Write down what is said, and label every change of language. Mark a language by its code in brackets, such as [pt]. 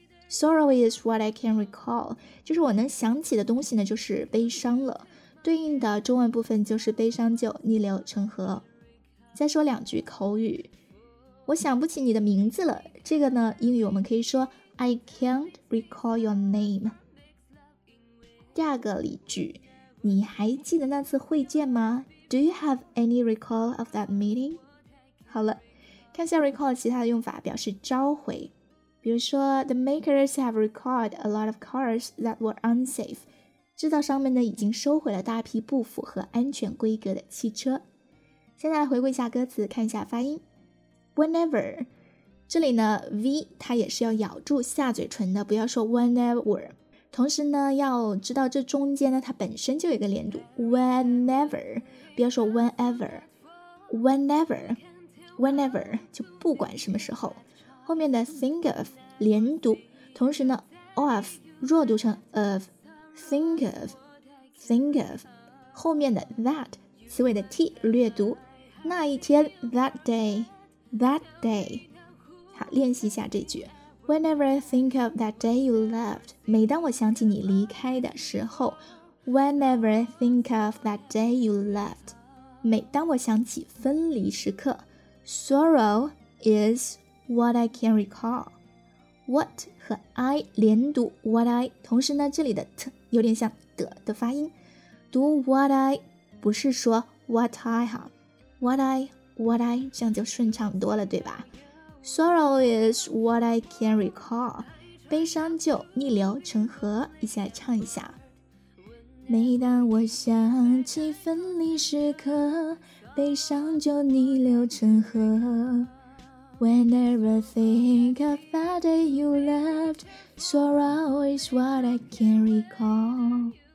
[en] Sorrow is what I can recall， [zh] 就是我能想起的东西呢，就是悲伤了。对应的中文部分就是悲伤就逆流成河。再说两句口语，我想不起你的名字了。这个呢，英语我们可以说 [en] I can't recall your name。 [zh] 第二个例句。你还记得那次会见吗？ [en] Do you have any recall of that meeting? [zh] 好了，看一下 recall 其他的用法，表示召回。比如说 [en] The makers have recalled a lot of cars that were unsafe， [zh] 制造商们呢已经收回了大批不符合安全规格的汽车。现在来回顾一下歌词，看一下发音。 [en] Whenever [zh] 这里呢 V 它也是要咬住下嘴唇的，不要说 whenever，同时呢要知道这中间呢它本身就有一个连读 whenever， 不要说 whenever whenever whenever， 就不管什么时候。后面的 think of 连读，同时呢 of 弱读成 of， think of think of， 后面的 that 词尾的 t 略读，那一天 [en] that day that day。 [zh] 好，练习一下这句 [en] Whenever I think of that day you left， [zh] 每当我想起你离开的时候。 [en] Whenever I think of that day you left， [zh] 每当我想起分离时刻。 [en] Sorrow is what I can recall。 [zh] What 和 I 连读 what I， 同时呢这里的 t 有点像的的发音，读 what I 不是说 what I 哈， what I what I 这样就顺畅多了对吧。 [en] Sorrow is what I can recall， [zh] 悲伤就逆流成河。一起来唱一下。每当我想起分离时刻，悲伤就逆流成河。 [en] Whenever think of that day you left， Sorrow is what I can recall。